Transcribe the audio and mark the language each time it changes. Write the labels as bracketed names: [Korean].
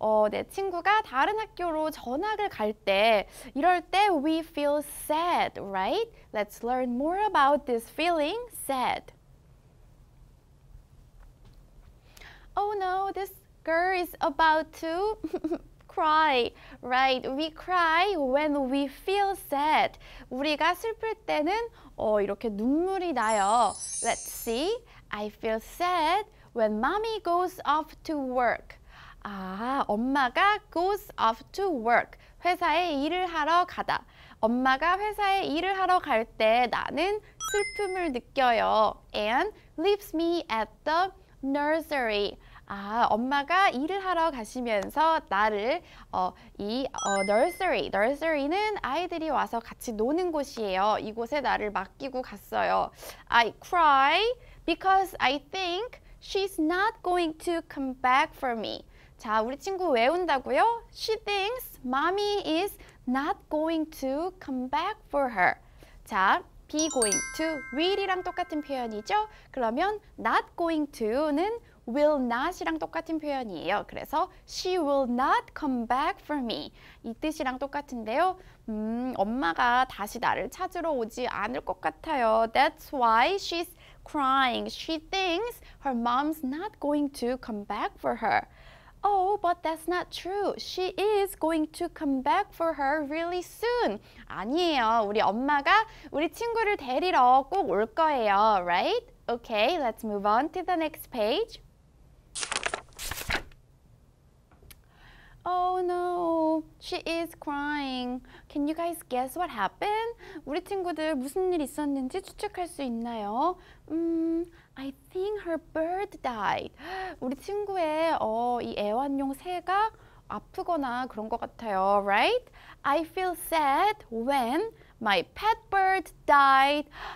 [Korean] 내 친구가 다른 학교로 전학을 갈 때, 이럴 때 [English] we feel sad, right? Let's learn more about this feeling, sad. Oh no, this girl is about to cry, right? We cry when we feel sad. [Korean] 우리가 슬플 때는 이렇게 눈물이 나요. [English] Let's see. I feel sad when mommy goes off to work. [Korean] 아, 엄마가 [English] goes off to work. [Korean] 회사에 일을 하러 가다. 엄마가 회사에 일을 하러 갈 때 나는 슬픔을 느껴요. [English] And leaves me at the nursery. [Korean] 아, 엄마가 일을 하러 가시면서 나를 nursery. Nursery는 아이들이 와서 같이 노는 곳이에요. 이곳에 나를 맡기고 갔어요. [English] I cry because I think she's not going to come back for me. [Korean] 자, 우리 친구 왜 운다고요? [English] She thinks mommy is not going to come back for her. [Korean] 자, be going to, will이랑 똑같은 표현이죠? 그러면 not going to는 will not이랑 똑같은 표현이에요. 그래서 [English] she will not come back for me. [Korean] 이 뜻이랑 똑같은데요. 엄마가 다시 나를 찾으러 오지 않을 것 같아요. [English] That's why she's crying. She thinks her mom's not going to come back for her. Oh, but that's not true. She is going to come back for her really soon. [Korean] 아니에요. 우리 엄마가 우리 친구를 데리러 꼭 올 거예요. [English] Right? Okay, let's move on to the next page. Oh no, she is crying. Can you guys guess what happened? [Korean] 우리 친구들 무슨 일 있었는지 추측할 수 있나요? [English] I think her bird died. [Korean] 우리 친구의 이 애완용 새가 아프거나 그런 것 같아요, right? [English] I feel sad when my pet bird died.